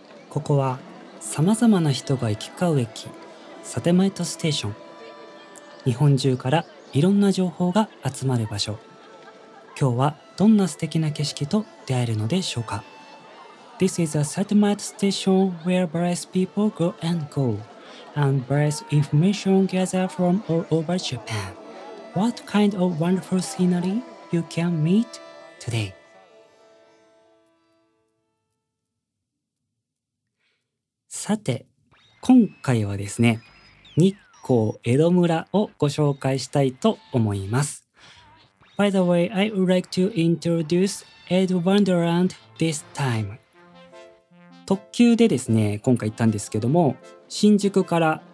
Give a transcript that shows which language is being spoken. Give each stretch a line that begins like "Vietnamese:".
Japanese: ここはさまざまな人が行き交う駅、サテマイトステーション。日本中からいろんな情報が集まる場所。今日はどんな素敵な景色と出会えるのでしょうか。
English: This is a satellite station where various people go and go, and various information gather from all over Japan. What kind of wonderful scenery you can meet today?
Japanese: さて、今回はですね、日光江戸村をご紹介したいと思います。
English: By the way, I would like to introduce Ed Wonderland this time.
Japanese: 特急でですね、今回行ったんですけども、新宿から